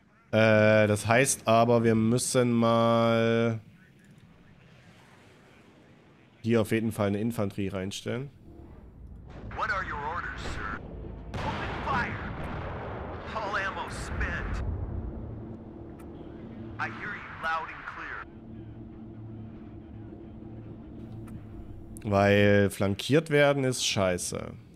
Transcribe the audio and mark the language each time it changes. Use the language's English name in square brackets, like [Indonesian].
[German] Das heißt aber, wir müssen mal hier auf jeden Fall eine Infanterie reinstellen. [English] What are your orders, sir? Open fire. All ammo spent. I hear you loud and clear. [German] Weil flankiert werden ist scheiße.